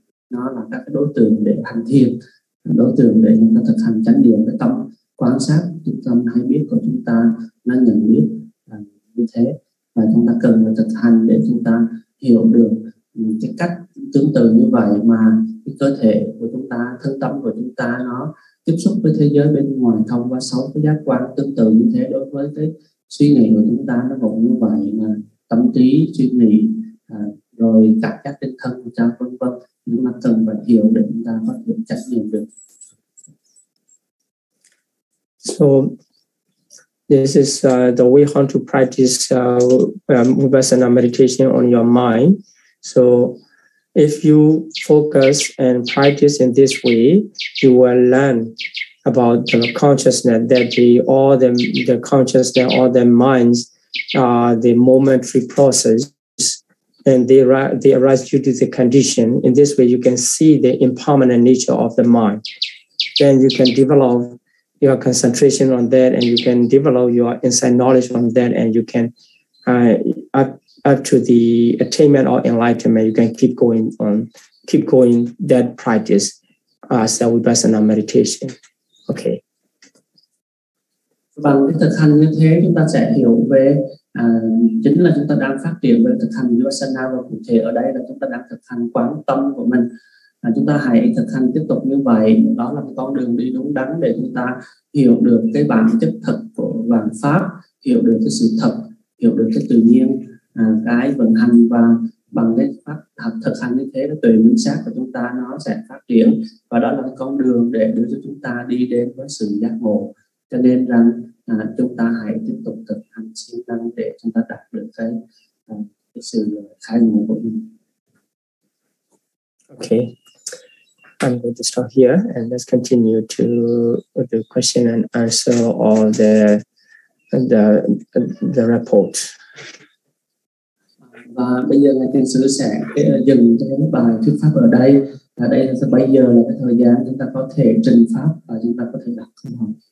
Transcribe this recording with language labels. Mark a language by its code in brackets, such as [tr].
[vi] nó là các cái đối tượng để hành thiền, đối tượng để chúng ta thực hành chánh niệm, cái tâm quan sát, cái tâm hay biết của chúng ta nó nhận biết như thế, và chúng ta cần phải thực hành để chúng ta hiểu được cái cách tương tự như vậy mà cái cơ thể của chúng ta, thân tâm của chúng ta nó tiếp xúc với thế giới bên ngoài thông qua sáu cái giác quan tương tự như thế. Đối với cái suy nghĩ của chúng ta nó cũng như vậy, mà tâm trí, suy nghĩ, rồi cảm giác tinh thần của chúng ta, vân vân, chúng ta cần phải hiểu để chúng ta có thể chấp nhận được. [en] So this is the way how to practice vipassana meditation on your mind. So if you focus and practice in this way, you will learn about the consciousness, that the consciousness or the minds are the momentary process, and they arise due to the condition. In this way, you can see the impermanent nature of the mind. Then you can develop your concentration on that, and you can develop your inside knowledge on that, and you can up to the attainment or enlightenment, you can keep going that practice as a vipassana meditation. Okay. [vi] Bằng cái thực hành như thế, chúng ta sẽ hiểu về chính là chúng ta đang phát triển về thực hành vipassana, và cụ thể ở đây là chúng ta đang thực hành quán tâm của mình. Chúng ta hãy thực hành tiếp tục như vậy, đó là con đường đi đúng đắn để chúng ta hiểu được cái bản chất thật của vạn pháp, hiểu được cái sự thật, hiểu được cái tự nhiên, cái vận hành, và bằng cái pháp thực hành như thế, tùy minh sát của chúng ta nó sẽ phát triển, và đó là cái con đường để đưa cho chúng ta đi đến với sự giác ngộ. Cho nên rằng chúng ta hãy tiếp tục thực hành siêng năng để chúng ta đạt được cái sự khai ngộ của mình. [en] Okay, I'm going to stop here, and let's continue to the question and answer or the report. [vi] Và bây giờ ngài tiên sư sẽ dừng cái bài thuyết pháp ở đây. Ở đây là 7 giờ là cái thời gian chúng ta có thể trình pháp và chúng ta có thể đặt câu hỏi.